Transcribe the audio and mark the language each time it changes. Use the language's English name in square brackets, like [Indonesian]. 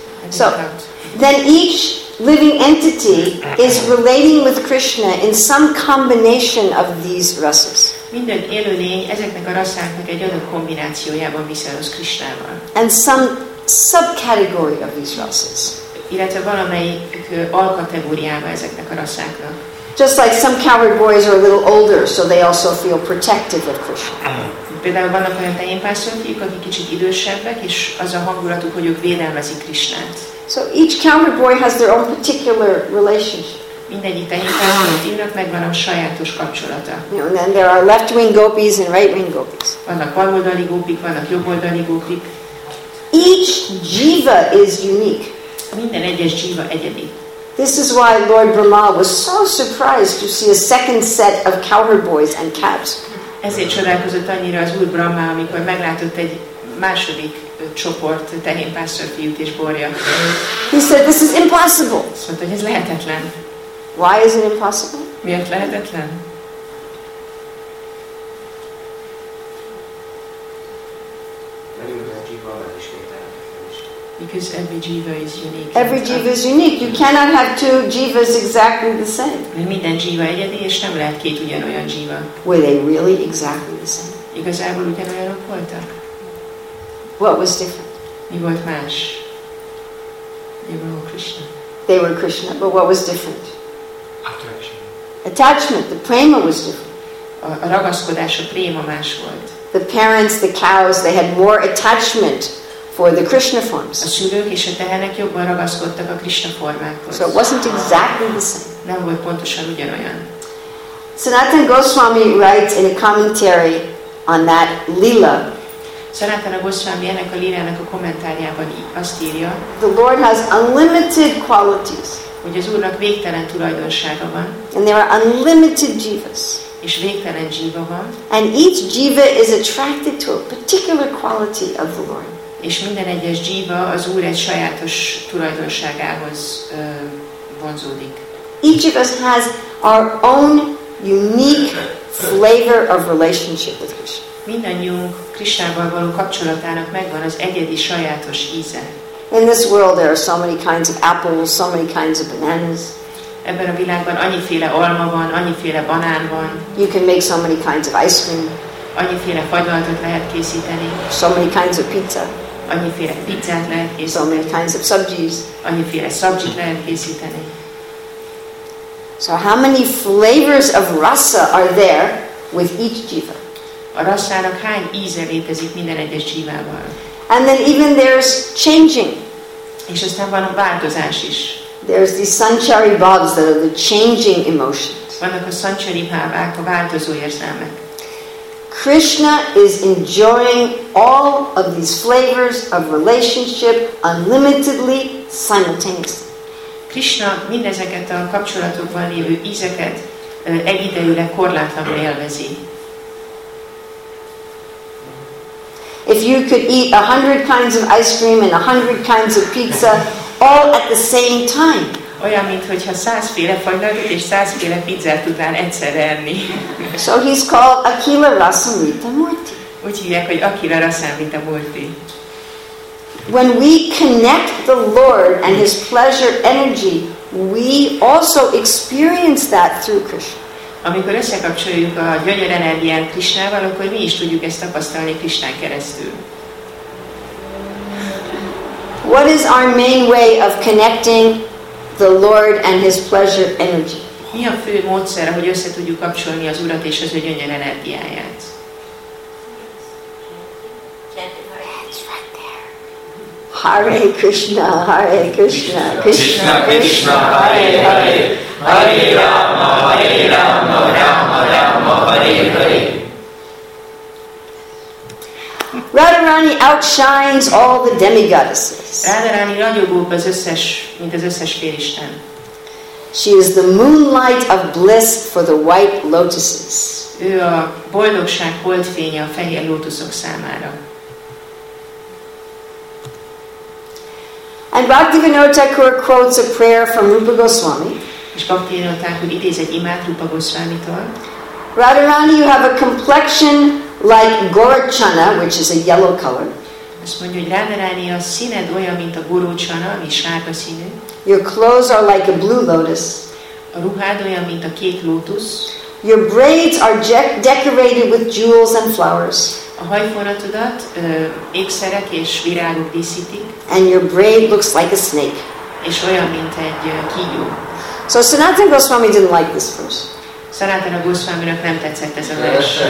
[English] So, then each living entity is relating with Krishna in some combination of these rasas. [Hungarian] Minden élő lény ezeknek a rasszáknak egy adott kombinációjában viszonyoz Krishnával. [English] And some subcategory of these rasas. [Hungarian] Illetve valamelyik alkategóriába ezeknek a rasszáknak. [English] Just like some cowherd boys are a little older, so they also feel protective of Krishna. [Hungarian] Például vannak olyan tehénpásztorfiúk, akik kicsit idősebbek, és az a hangulatuk, hogy ők védelmezik Krishnát. [English] So each cowherd boy has their own particular relationship. [Hungarian] Mindegyik tehénpásztorfiúnak megvan a sajátos kapcsolata. [English] You know, and there are left-wing gopis and right-wing gopis. [Hungarian] Vannak baloldali gopik, vannak jobboldali gopik. [English] Each jiva is unique. [Hungarian] Minden egyes jiva egyedi. [English] This is why Lord Brahma was so surprised to see a second set of cowherd boys and cats. [Hungarian] Ezért csodálkozott annyira az Úr Brahma, amikor meglátott egy második csoport tehénpásztorfiút és borja. [English] He said, this is impossible. [Hungarian] Azt mondta, hogy ez lehetetlen. [English] Why is it impossible? [Hungarian] Miért lehetetlen? [English] Because every jiva is unique. Every jiva is unique. You cannot have two jivas exactly the same. [Hungarian] Mert minden jiva egyedi, és nem lehet két ugyanolyan jiva. [English] Were they really exactly the same? [Hungarian] Igazából ugyanolyanok voltak? [English] What was different? [Hungarian] Mi volt más? [English] They were all Krishna. They were Krishna, but what was different? Attachment. Attachment, the prema was different. [Hungarian] A ragaszkodás, a prema más volt. [English] The parents, the cows, they had more attachment for the Krishna forms. [Hungarian] A szülők és a tehenek jobban ragaszkodtak a Krishna formákhoz. [English] So it wasn't exactly the same. [Hungarian] Nem volt pontosan ugyanolyan. [English] Sanatan Goswami writes in a commentary on that lila. [Hungarian] Sanatana Goswami ennek a lilának a kommentárjában azt írja. [English] The Lord has unlimited qualities. [Hungarian] Hogy az Úrnak végtelen tulajdonsága van. [English] And there are unlimited jivas. [Hungarian] és végtelen jiva van. [English] And each jiva is attracted to a particular quality of the Lord. [Hungarian] És minden egyes jiva az Úr egy sajátos tulajdonságához vonzódik. [English] Each of us has our own unique flavor of relationship with Krishna. [Hungarian] Mindannyiunk Krisnával való kapcsolatának megvan az egyedi sajátos íze. [English] In this world there are so many kinds of apples, so many kinds of bananas. [Hungarian] Ebben a világban annyiféle alma van, annyiféle banán van. [English] You can make so many kinds of ice cream. [Hungarian] Annyiféle fagylaltot lehet készíteni. [English] So many kinds of pizza. [Hungarian] Annyiféle pizzát lehet készíteni. [English] So many kinds of sabjis. [Hungarian] Annyiféle sabjit lehet készíteni. [English] So how many flavors of rasa are there with each jiva? [Hungarian] A rasának hány íze létezik minden egyes jivával? [English] And then even there's changing. [Hungarian] És aztán van a változás is. [English] There's these sanchari bhavs that are the changing emotions. [Hungarian] Vannak a sanchari bhavák, a változó érzelmek. [English] Krishna is enjoying all of these flavors of relationship unlimitedly, simultaneously. [Hungarian] Krishna mindezeket a kapcsolatokban lévő ízeket egyidejűleg korlátlanul élvezi. [English] If you could eat 100 kinds of ice cream and 100 kinds of pizza all at the same time. [Hungarian] Olyan, mint hogyha 100 féle fagylaltot és 100 féle pizzát tudnál egyszerre enni. [English] So he's called Akila Rasamrita Murti. [Hungarian] Úgy hívják, hogy Akila Rasamrita Murti. [English] When we connect the Lord and his pleasure energy, we also experience that through Krishna. [Hungarian] Amikor összekapcsoljuk a gyönyör energiát Krisnával, akkor mi is tudjuk ezt tapasztalni Krisnán keresztül. [English] What is our main way of connecting the Lord and his pleasure energy? [Hungarian] Mi a fő módszer, hogy össze tudjuk kapcsolni az Urat és az ő gyönyör energiáját? [Sanskrit] Hare Krishna, Hare Krishna, Krishna Krishna, Hare Hare, Hare Rama, Hare Rama, Rama Rama, Hare Hare. [English] Radharani outshines all the demigoddesses. [Hungarian] Radharani nagyobb az összes, mint az összes félisten. [English] She is the moonlight of bliss for the white lotuses. [Hungarian] Ő a boldogság holdfénye a fehér lótuszok számára. [English] And Bhaktivinoda Thakur quotes a prayer from Rupa Goswami. [Hungarian] És Bhaktivinoda Thakur idéz egy imát Rupa Goswamitól. [English] Radharani, you have a complexion like Gorachana, which is a yellow color. [Hungarian] Azt mondja, hogy Radharani, a színed olyan, mint a Gorachana, ami sárga színű. [English] Your clothes are like a blue lotus. [Hungarian] A ruhád olyan, mint a kék lótusz. [English] Your braids are decorated with jewels and flowers. [Hungarian] A hajfonatodat ékszerek és virágok díszítik. [English] And your braid looks like a snake. [Hungarian] És olyan, mint egy kígyó. [English] So Sanatana Goswami didn't like this verse. [Hungarian] Sanatana Goswaminak nem tetszett ez a vers.